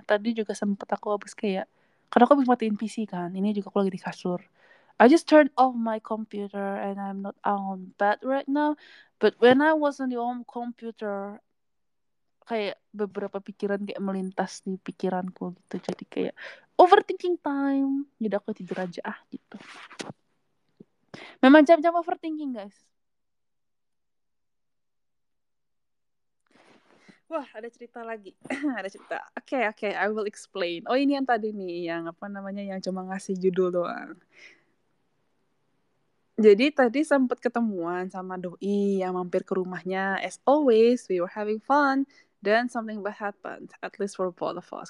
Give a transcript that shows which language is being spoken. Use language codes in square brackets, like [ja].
[id] Tadi juga sempat aku habis kayak, karena aku habis matiin PC kan. Ini juga aku lagi di kasur. [en] I just turned off my computer and I'm not on bed right now. But when I was on the home computer, [id] kayak beberapa pikiran kayak melintas di pikiranku gitu, jadi kayak overthinking time, jadi aku tidur aja ah gitu. Memang jam-jam overthinking guys. Wah, ada cerita lagi. Ada cerita. [en] Okay, I will explain. [id] Oh, ini yang tadi nih, yang apa namanya, yang cuma ngasih judul doang. Jadi tadi sempat ketemuan sama doi yang mampir ke rumahnya. [en] As always, we were having fun. Then something bad happened, at least for both of us.